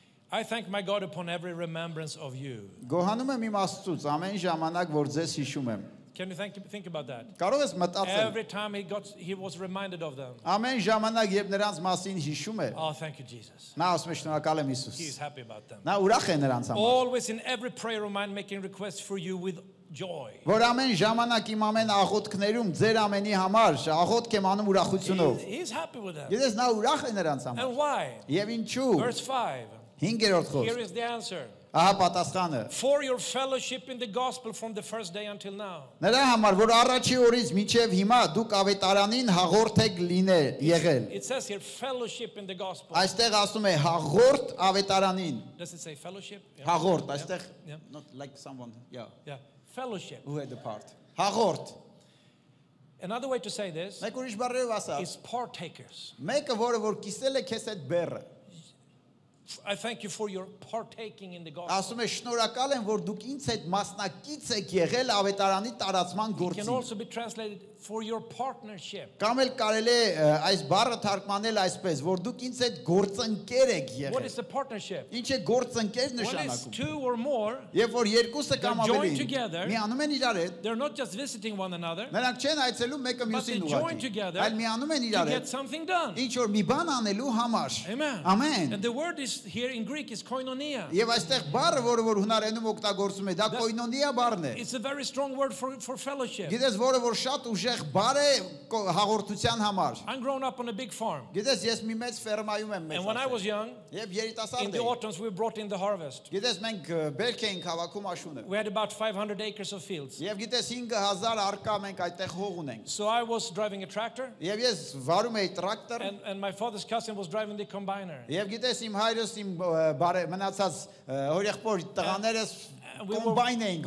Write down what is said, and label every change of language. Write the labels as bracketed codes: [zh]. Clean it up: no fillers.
[en] I thank my God upon every remembrance of you. [hy] Գոհանում եմ իմ Աստծուց ամեն ժամանակ որ ձեզ հիշում եմ. [en] Can you think about that? Every time he was reminded of them. [hy] Ամեն ժամանակ երբ նրանց մասին հիշում է. [en] Oh, thank you, Jesus. [hy] Նա ասում է շնորհակալ եմ Հիսուս. [en] He is happy about them. [hy] Նա ուրախ է նրանց համար. [en] Always in every prayer of mine making requests for you with joy. [hy] Որ ամեն ժամանակ իմ ամեն աղոթքներում ձեր ամենի համար աղոթք եմ անում ուրախությունով. [en] He is happy with them. [hy] Գիտես նա ուրախ է նրանց համար. [en] And why? [hy] Եվ ինչու? [en] Verse 5. [hy] 5-րդ խոսքը. [en] Here is the answer. [hy] Ահա պատասխանը. [en] For your fellowship in the gospel from the first day until now. [hy] Նրա համար, որ առաջի օրից մինչև հիմա դուք ավետարանին հաղորդ եք լինել եղել. [en] It says your fellowship in the gospel. [hy] Այստեղ ասում է հաղորդ ավետարանին. [en] Does it say fellowship? [hy] Հաղորդ, այստեղ [en] not like someone. Yeah. Yeah. Fellowship. Who had the part? Հաղորդ. Another way to say this. [hy] Մեկ ուրիշ բառով ասա. [en] Is partakers. [hy] Մեկը որը որ կիսել է քեզ այդ բեռը. [en] I thank you for your partaking in the gospel. [hy] Ասում եմ շնորհակալ եմ որ դուք ինձ այդ մասնակից եք եղել ավետարանի տարածման գործին. [en] It can also be translated for your partnership. [hy] Կամ էլ կարելի է այս բառը թարգմանել այսպես որ դուք ինձ այդ գործընկեր եք եղել. [en] What is a partnership? [hy] Ինչ է գործընկեր նշանակում? [en] What is two or more? [hy] Երբ որ երկուսը կամ ավելի միանում են իրար հետ. [en] They're not just visiting one another. [hy] Նրանք չեն այցելում մեկը մյուսին ուղղակի. [en] But they join together. [hy] Այլ միանում են իրար հետ. Ինչ որ մի բան անելու համար. [en] Amen. Amen. And the word is here in Greek is koinonia. [hy] Եվ այստեղ բառը որը որ հունարենում օգտագործում է դա koinonia բառն է. [en] It's a very strong word for fellowship. [hy] Գիտես որը որ շատ ուժեղ բարե հաղորդության համար [en] I'm grown up on a big farm. [hy] Գիտես ես մի մեծ ֆերմայում եմ մեծացել. [en] And when I was young, [hy] Եվ երիտասարդ էի. [en] In the autumns we brought in the harvest. [hy] Գիտես մենք բերք էինք հավաքում աշունը. [en] We had about 500 acres of fields. [hy] Եվ գիտես 5000 արկա մենք այդտեղ հող ունենք. [en] So I was driving a tractor. [hy] Եվ ես վարում էի տրակտոր. [en] And my father's cousin was driving the combiner. [hy] Եվ գիտես իմ հայրս իմ բարե մնացած հորեղբոր տղաներս կոմբայներ էին